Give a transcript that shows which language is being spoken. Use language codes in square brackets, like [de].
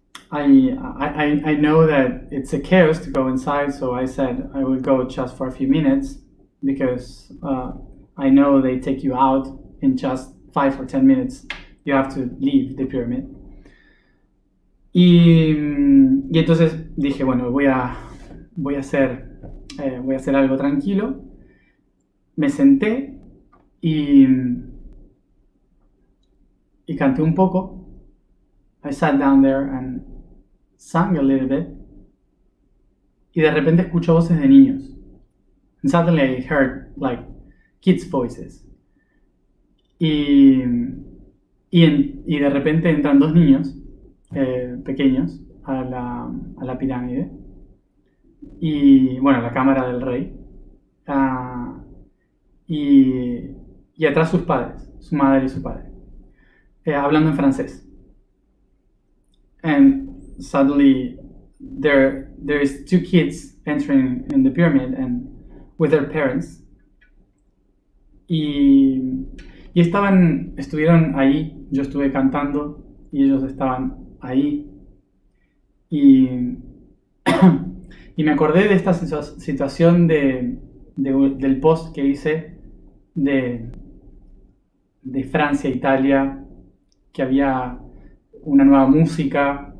[en] I know that it's a chaos to go inside, so I said I will go just for a few minutes because I know they take you out in just 5 or 10 minutes. You have to leave the pyramid. [es] Y entonces dije, bueno, voy a hacer algo tranquilo. Me senté y canté un poco. [en] I sat down there and sang a little bit, [es] y de repente escucho voces de niños. [en] And suddenly I heard like kids' voices. [es] Y de repente entran dos niños pequeños a la pirámide. Y bueno, la cámara del rey. Y atrás sus padres, su madre y su padre, hablando en francés. [en] And suddenly there is two kids entering in the pyramid and with their parents. [es] Y estuvieron ahí, yo estuve cantando y ellos estaban ahí. Y me acordé de esta situación del post que hice de Francia, Italia, que había una nueva música